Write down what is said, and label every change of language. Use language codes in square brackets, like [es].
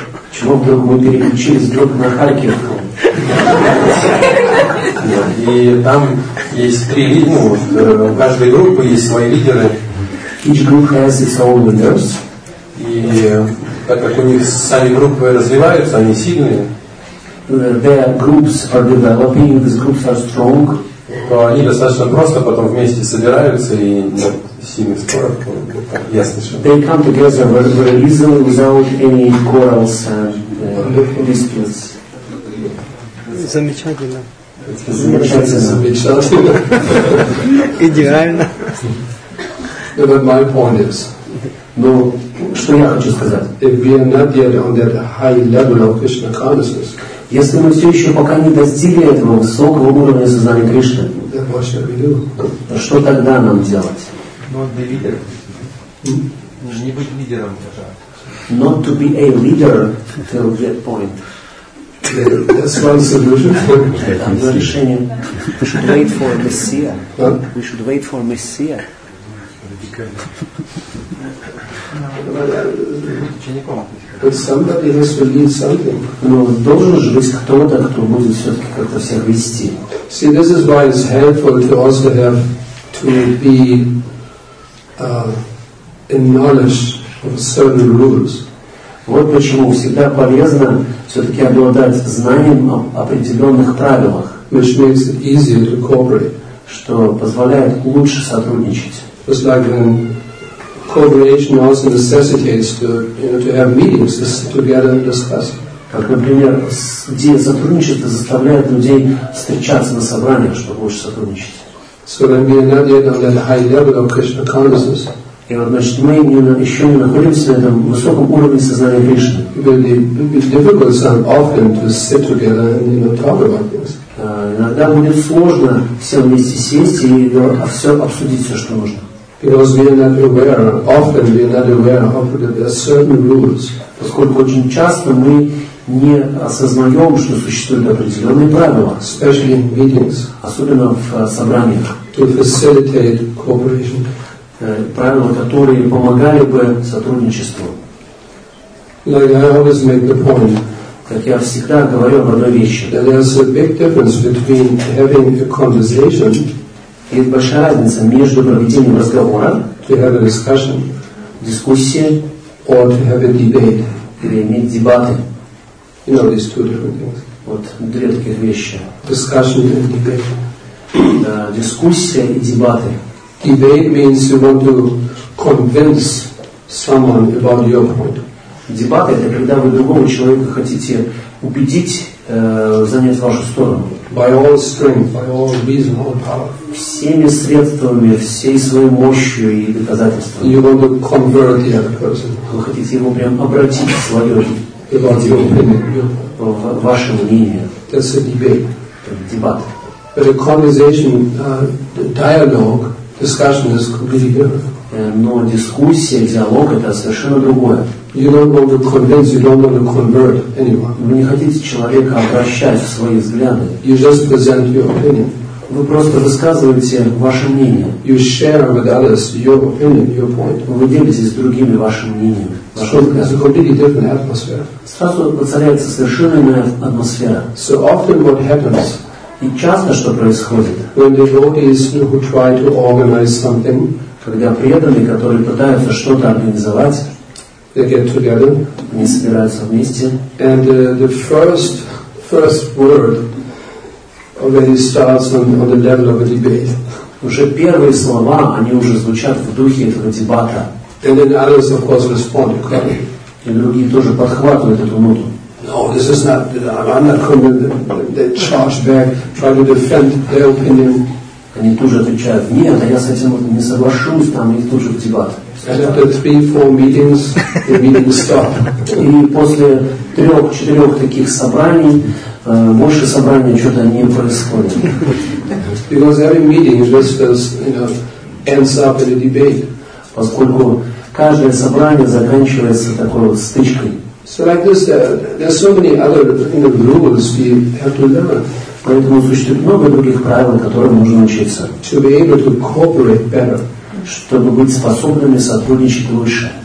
[ru] Чего вдруг мы переключились друг на Харькив? И там есть три лидера. Ну, в каждой группе есть свои лидеры. [en] Each group has its own leaders. [ru] И так как у них сами группы развиваются, они сильные. [en] Their groups are developing, these groups are strong. [ru] То они достаточно просто потом вместе собираются и сильные споры. Ясно, что. [en] They come together very, very easily without any quarrels and disputes. [ru] Замечательно. Замечательно. Идеально. [en] No, but my point is, [ru] no, что я хочу сказать? [en] If we are not yet on that high level of Krishna consciousness, [ru] если мы все еще пока не достигли этого высокого уровня сознания Кришны, [en] then what shall we do? [ru] Что тогда нам делать? [en] Not be leader. [ru] Нужно не быть лидером даже. [en] Not to be a leader till that point. That's one solution. [ru] Одно решение. [en] We should wait for Messiah. Huh? We should wait for Messiah. But somebody has to lead something. [ru] Но должен же быть кто-то, кто будет все-таки как-то себя вести. [en] See, this is why it's helpful to also have to be in knowledge of certain rules. [ru] Вот почему всегда полезно все-таки обладать знанием об определенных правилах. [en] Which makes it easier to cooperate. [ru] Что позволяет лучше сотрудничать. [en] It's like when cooperation also necessitates to, you know, to have meetings together and discuss. [ru] Как, например, где сотрудничество заставляет людей встречаться на собраниях, чтобы лучше сотрудничать. [en] So when we are not yet on that high level of Krishna consciousness. [ru] И вот, значит, мы еще не находимся на этом высоком уровне сознания Кришны. [en] It will be difficult some often to sit together and, you know, talk about this. [ru] Иногда будет сложно все вместе сесть и все обсудить, все, что нужно. [en] Because we are not aware, often we are not aware of that there are certain rules. [ru] Поскольку очень часто мы не осознаем, что существуют определенные правила. [en] Especially in meetings. [ru] Особенно в собраниях. [en] To facilitate cooperation. [ru] Правила, которые помогали бы сотрудничеству. [en] Like I always make the point. [ru] Как я всегда говорю об одной вещи. [en] There is a big difference between having a conversation [ru] И это большая разница между проведением разговора, [en] to have a discussion, [ru] дискуссии, [en] or to have a debate, [ru] или иметь дебаты. [en] You know, these two different things. [ru] Вот две таких вещи. [en] Discussion and debate. [ru] Дискуссия и дебаты. [en] Debate means you want to convince someone about your point. [ru] Дебаты — это когда вы другого человека хотите убедить занять вашу сторону. [en] By all strength, by all reason, all power. [ru] Всеми средствами, всей своей мощью и доказательствами. [en] You want to convert the other person. [ru] Вы хотите его прям обратить в свое мнение. В ваше мнение. [en] That's a debate. [ru] Дебат. [en] But a conversation, dialogue, discussion is completely different. [ru] Но дискуссия, диалог — это совершенно другое. [en] You don't want to convince, you don't want to convert anyone. [ru] Вы не хотите человека обращать в свои взгляды. [en] You just present your opinion. [ru] Вы просто высказываете ваше мнение. [en] You share with others your opinion, your point. [ru] Вы делитесь с другими вашим мнением. [en] It's a completely different atmosphere. [ru] Сразу воцаряется совершенно иная атмосфера. [en] So often what happens, [ru] и часто что происходит, [en] when devotees who try to organize something, [ru] когда преданные, которые пытаются что-то организовать, [en] they get together, [ru] они собираются вместе, [en] and the first word already starts on the level of a debate. [ru] Уже первые слова, они уже звучат в духе этого дебата. [en] And then others, of course, respond. [ru] И другие тоже подхватывают эту ноту. [en] No, this is not. I'm not coming. They charge back, try to defend their opinion. [ru] Они тут же отвечают: нет, а я с этим не соглашусь, там и тут же в дебат. [en] And after 3-4 meetings, the meetings stop. [ru] И после 3-4 таких собраний, больше собраний что-то не происходит. [en] Because every meeting just, you know, ends up in a debate. [ru] Поскольку каждое собрание заканчивается такой вот стычкой. [en] So like this, there are so many other, you know, rules we have to learn. [ru] Поэтому существует много других правил, которым нужно учиться. [en] To be able to cooperate better. [ru] Чтобы быть способными сотрудничать лучше.